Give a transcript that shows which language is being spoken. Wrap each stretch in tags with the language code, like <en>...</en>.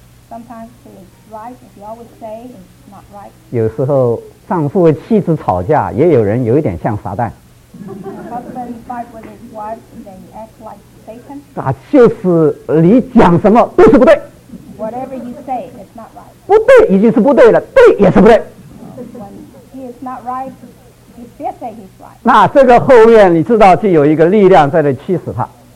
<en>Sometimes he is right, he always say it's not right.</en> <zh>有时候丈夫和妻子吵架，也有人有一点像撒旦。</zh> <en>Husband fight with his wife, they act like Satan.</en> <zh>那就是你讲什么都是不对。</zh> <en>Whatever you say, it's not right.</en> <zh>不对已经是不对了，对也是不对。</zh> <en>When he is not right, he still say he's right.</en> <zh>那这个后面你知道就有一个力量在那驱使他。</zh>